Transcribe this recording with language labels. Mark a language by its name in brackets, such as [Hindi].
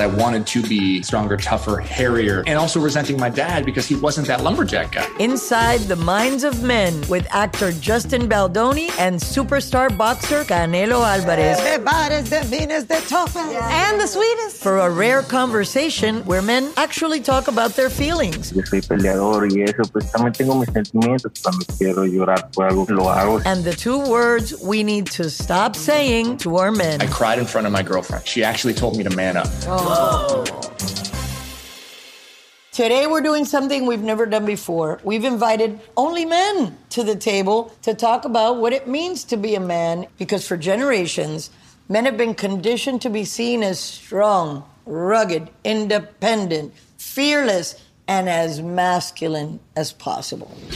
[English] I wanted to be stronger, tougher, hairier, and also resenting my dad because he wasn't that lumberjack guy. Inside the Minds of Men with actor Justin Baldoni and superstar boxer Canelo Alvarez. Everybody's the meanest, the toughest, yeah. And the sweetest. For a rare conversation where men actually talk about their feelings. [Spanish] Yo soy peleador y eso, pues también tengo mis sentimientos. Cuando quiero llorar por algo, lo hago. [English] And the two words we need to stop saying to our men. I cried in front of my girlfriend. She actually told me to man up. Today we're doing something we've never done before. We've invited only men to the table to talk about what it means to be a man, because for generations, men have been conditioned to be seen as strong, rugged, independent, fearless, and as masculine as possible.